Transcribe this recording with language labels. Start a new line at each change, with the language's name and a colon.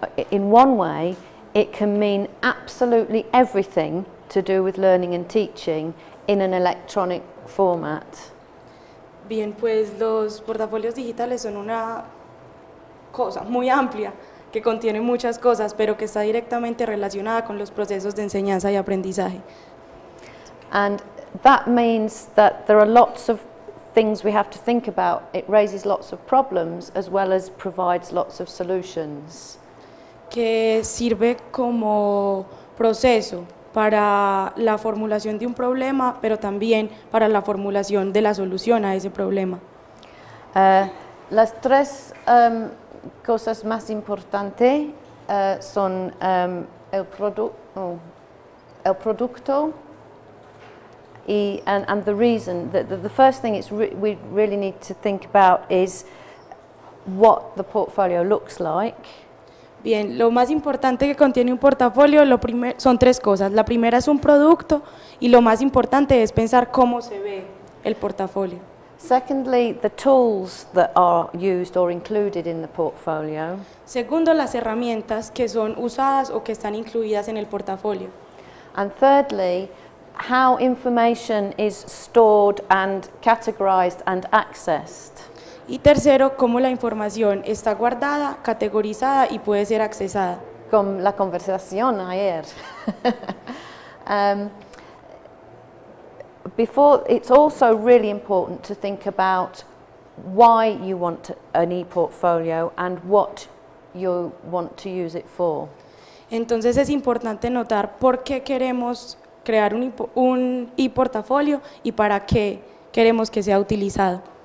English: In one way, it can mean absolutely everything to do with learning and teaching in an electronic format.
Spanish: Bien, pues los portafolios digitales son una cosa muy amplia que contiene muchas cosas, pero que está directamente relacionada con los procesos de enseñanza y aprendizaje.
English: And that means that there are lots of things we have to think about. It raises lots of problems as well as provides lots of solutions.
Spanish: Que sirve como proceso para la formulación de un problema, pero también para la formulación de la solución a ese problema. Las tres cosas más importantes son el producto.
English: And the reason, the first thing we really need to think about is what the portfolio looks like.
Spanish: Bien, lo más importante que contiene un portafolio son tres cosas. La primera es un producto y lo más importante es pensar cómo se ve el portafolio.
English: Secondly, the tools that are used or included in the portfolio.
Spanish: Segundo, las herramientas que son usadas o que están incluidas en el portafolio.
English: And thirdly, how information is stored and categorized and accessed.
Spanish: Y tercero, cómo la información está guardada, categorizada y puede ser accesada. Con la conversación ayer.
English: it's also really important to think about why you want an e-portfolio and what you want to use it for.
Spanish: Entonces es importante notar por qué queremos crear un e-portafolio y para qué queremos que sea utilizado.